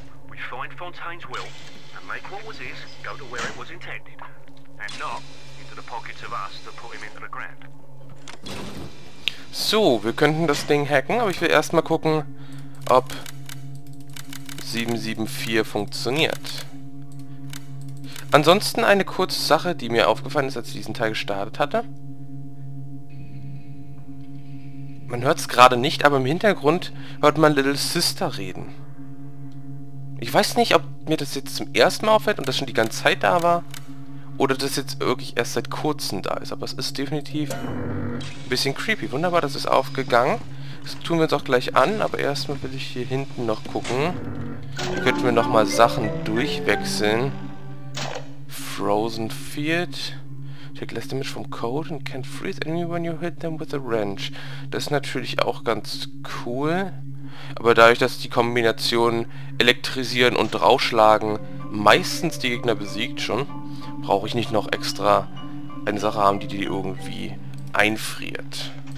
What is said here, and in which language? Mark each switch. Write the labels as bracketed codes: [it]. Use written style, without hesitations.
[en] We find Fontaine's will and make what was his go to where it was intended. And not into the pockets of us that put him into the ground. [de] So, wir könnten das Ding hacken, aber ich will erstmal gucken, ob 774 funktioniert. Ansonsten eine kurze Sache, die mir aufgefallen ist, als ich diesen Teil gestartet hatte. Man hört es gerade nicht, aber im Hintergrund hört man Little Sister reden. Ich weiß nicht, ob mir das jetzt zum ersten Mal auffällt und das schon die ganze Zeit da war, oder das jetzt wirklich erst seit kurzem da ist, aber es ist definitiv ein bisschen creepy. Wunderbar, das ist aufgegangen. Das tun wir uns auch gleich an, aber erstmal will ich hier hinten noch gucken. Hier könnten wir nochmal Sachen durchwechseln. [en] Frozen Field. Take less damage from cold and can freeze enemy when you hit them with a wrench. [de] Das ist natürlich auch ganz cool. Aber dadurch, dass die Kombination elektrisieren und draufschlagen meistens die Gegner besiegt schon, brauche ich nicht noch extra eine Sache haben, die die irgendwie einfriert.